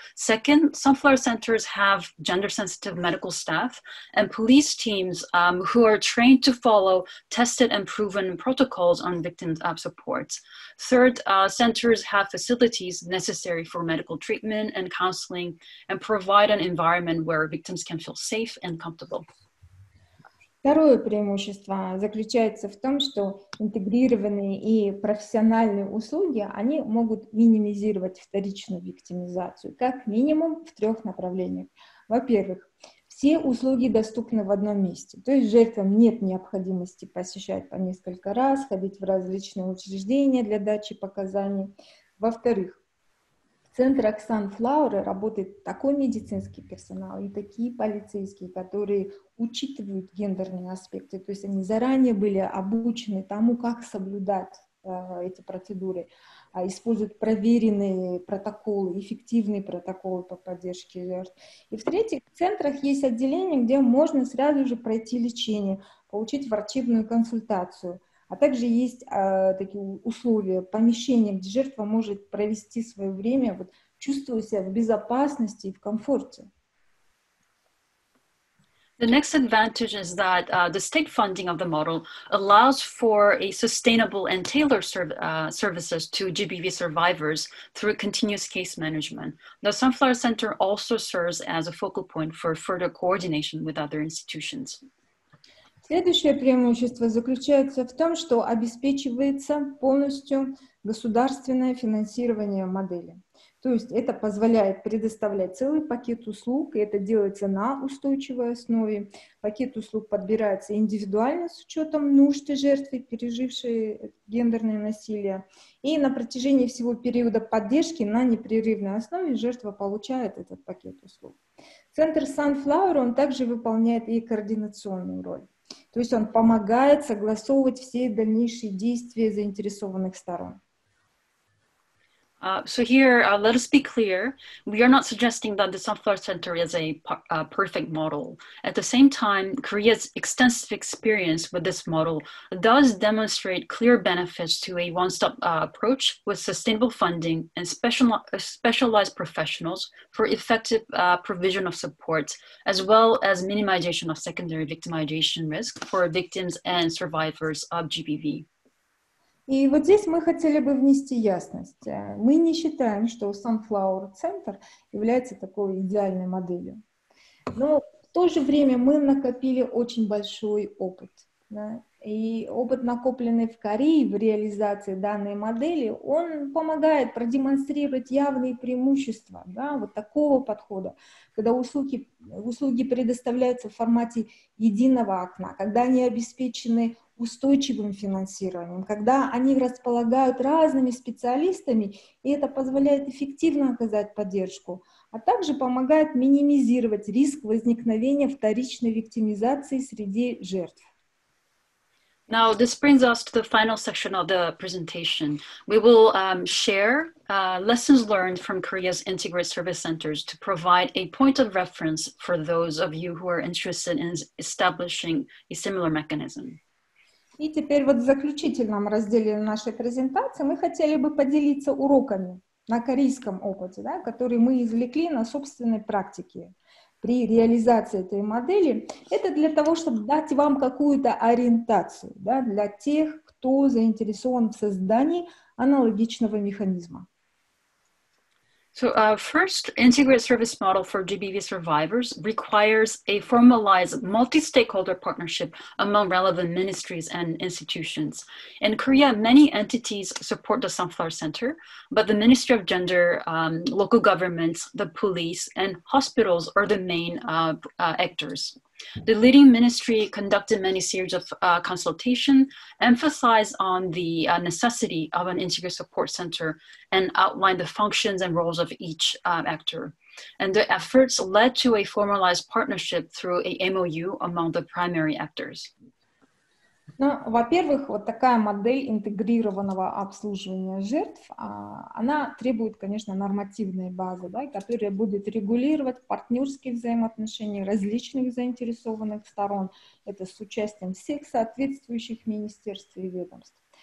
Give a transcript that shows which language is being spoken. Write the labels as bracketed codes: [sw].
[en] Second, Sunflower centers have gender-sensitive medical staff and police teams who are trained to follow tested and proven protocols on victims' support. Third, centers have facilities necessary for medical treatment and counseling and provide an environment where victims can feel safe and comfortable. [ru] Второе преимущество заключается в том, что интегрированные и профессиональные услуги, они могут минимизировать вторичную виктимизацию как минимум в трех направлениях. Во-первых, все услуги доступны в одном месте, то есть жертвам нет необходимости посещать по несколько раз, ходить в различные учреждения для дачи показаний. Во-вторых, в центрах Sunflower работает такой медицинский персонал и такие полицейские, которые учитывают гендерные аспекты, то есть они заранее были обучены тому, как соблюдать эти процедуры, используют проверенные протоколы, эффективные протоколы по поддержке жертв. И в-третьих, в центрах есть отделение, где можно сразу же пройти лечение, получить врачебную консультацию. А также есть такие условия, помещения, где жертва может провести свое время, вот, чувствуя себя в безопасности и в комфорте. [en] The next advantage is that the state funding of the model allows for a sustainable and tailored services to GBV survivors through continuous case management. The Sunflower Center also serves as a focal point for further coordination with other institutions. [ru] Следующее преимущество заключается в том, что обеспечивается полностью государственное финансирование модели. То есть это позволяет предоставлять целый пакет услуг, и это делается на устойчивой основе. Пакет услуг подбирается индивидуально с учетом нужд жертвы, пережившей гендерное насилие. И на протяжении всего периода поддержки на непрерывной основе жертва получает этот пакет услуг. Центр Sunflower, он также выполняет и координационную роль. То есть он помогает согласовывать все дальнейшие действия заинтересованных сторон. [en] So here, let us be clear, we are not suggesting that the Sunflower Center is a perfect model. At the same time, Korea's extensive experience with this model does demonstrate clear benefits to a one-stop approach with sustainable funding and specialized professionals for effective provision of support, as well as minimization of secondary victimization risk for victims and survivors of GBV. [ru] И вот здесь мы хотели бы внести ясность. Мы не считаем, что Sunflower Center является такой идеальной моделью. Но в то же время мы накопили очень большой опыт. Да? И опыт, накопленный в Корее в реализации данной модели, он помогает продемонстрировать явные преимущества, да, вот такого подхода, когда услуги предоставляются в формате единого окна, когда они обеспечены устойчивым финансированием, когда они располагают разными специалистами, и это позволяет эффективно оказать поддержку, а также помогает минимизировать риск возникновения вторичной виктимизации среди жертв. [en] Now, this brings us to the final section of the presentation. We will share lessons learned from Korea's integrated service centers to provide a point of reference for those of you who are interested in establishing a similar mechanism. [ru] И теперь вот в заключительном разделе нашей презентации мы хотели бы поделиться уроками на корейском опыте, да, которые мы извлекли на собственной практике. При реализации этой модели, это для того, чтобы дать вам какую-то ориентацию, да, для тех, кто заинтересован в создании аналогичного механизма. [en] So, first, integrated service model for GBV survivors requires a formalized multi-stakeholder partnership among relevant ministries and institutions. In Korea, many entities support the Sunflower Center, but the Ministry of Gender, local governments, the police, and hospitals are the main actors. The leading ministry conducted many series of consultation, emphasized on the necessity of an integrated support center, and outlined the functions and roles of each actor. And the efforts led to a formalized partnership through a MOU among the primary actors. [ru] Ну, во-первых, вот такая модель интегрированного обслуживания жертв, она требует, конечно, нормативной базы, да, которая будет регулировать партнерские взаимоотношения различных заинтересованных сторон, это с участием всех соответствующих министерств и ведомств.